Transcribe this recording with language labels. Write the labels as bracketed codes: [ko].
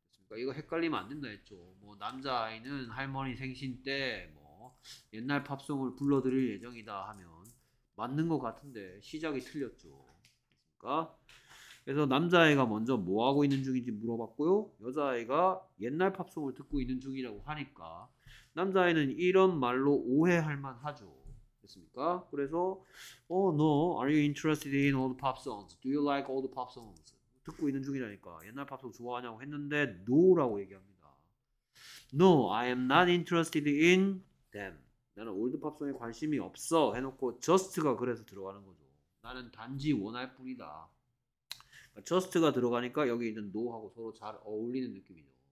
[ko] 그러니까 이거 헷갈리면 안 된다 했죠. 뭐 남자아이는 할머니 생신 때뭐 옛날 팝송을 불러드릴 예정이다 하면 맞는 것 같은데 시작이 틀렸죠. 그러니까 그래서 남자아이가 먼저 뭐 하고 있는 중인지 물어봤고요. 여자아이가 옛날 팝송을 듣고 있는 중이라고 하니까 남자아이는 이런 말로 오해할 만하죠. 됐습니까? 그래서 [en] Oh no, are you interested in old pop songs? Do you like old pop songs? [ko] 듣고 있는 중이라니까 옛날 팝송 좋아하냐고 했는데 no라고 얘기합니다. [en] No, I am not interested in them. [ko] 나는 올드 팝송에 관심이 없어. 해놓고 just가 그래서 들어가는 거죠. 나는 단지 원할 뿐이다. Just가 들어가니까 여기 있는 no하고 서로 잘 어울리는 느낌이죠.